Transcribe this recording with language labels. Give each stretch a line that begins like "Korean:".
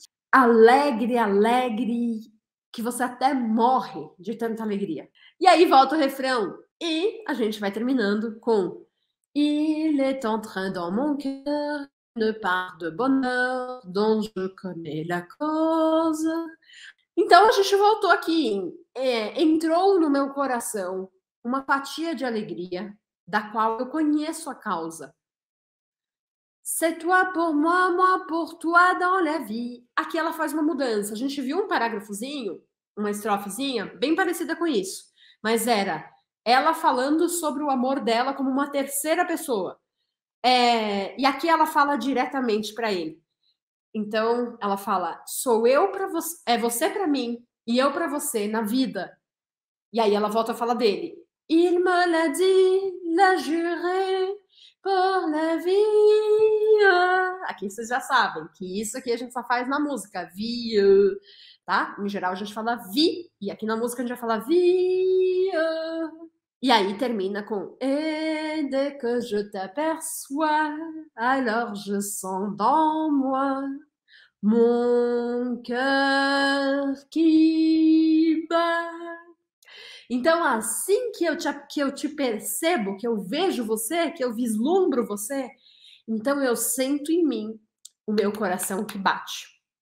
Portuguese: Alegre, alegre, que você até morre de tanta alegria. E aí volta o refrão. E a gente vai terminando com
French: Il est entré dans mon cœur une part de bonheur dont je connais la cause.
Portuguese: Então a gente voltou aqui. Entrou no meu coração uma fatia de alegria da qual eu conheço a causa.
French: C'est toi pour moi, moi pour toi dans la vie.
Portuguese: Aqui ela faz uma mudança. A gente viu um parágrafozinho, uma estrofezinha, bem parecida com isso. Mas era ela falando sobre o amor dela como uma terceira pessoa. E aqui ela fala diretamente para ele. Então, ela fala: sou eu para você, é você para mim e eu para você na vida. E aí ela volta a falar dele.
French: Il me l'a dit, l'a juré pour la vie.
Portuguese: Aqui vocês já sabem que isso aqui a gente só faz na música, vie, tá? Em geral a gente fala vi, e aqui na música a gente vai falar vie. E aí termina com
French: Et dès que je t'aperçois, alors je sens dans moi mon cœur qui bat.
Portuguese: Então, assim que eu te percebo, que eu vejo você, que eu vislumbro você, então eu sinto em mim o meu coração que bate.